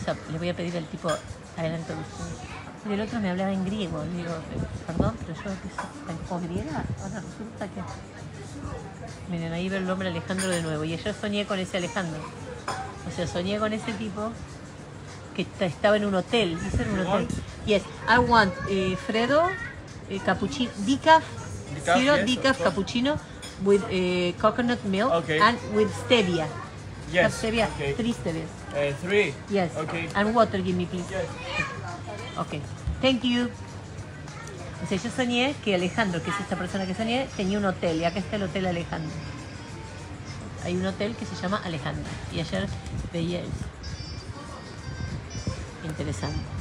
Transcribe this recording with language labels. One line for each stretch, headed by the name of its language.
Spanish: Le voy a pedir al tipo adelante. Y el otro me hablaba en griego. Digo, perdón, pero yo que soy tan griega, ahora resulta que... Miren, ahí veo el nombre Alejandro de nuevo. Y yo soñé con ese Alejandro. O sea, soñé con ese tipo que estaba en un hotel. Dice en un hotel.
English: Yes, I want Fredo, cappuccino, decaf cappuccino with coconut milk, okay. And with stevia. Yes. Stevia. Okay. Three stevias. Three. Yes. Okay. And water, give me please. Yes. Okay. Thank you.
Spanish: O sea, yo soñé que Alejandro, que es esta persona que soñé, tenía un hotel. Y acá está el hotel Alejandro. hay un hotel que se llama Alejandra. Y ayer veía eso. Interesante.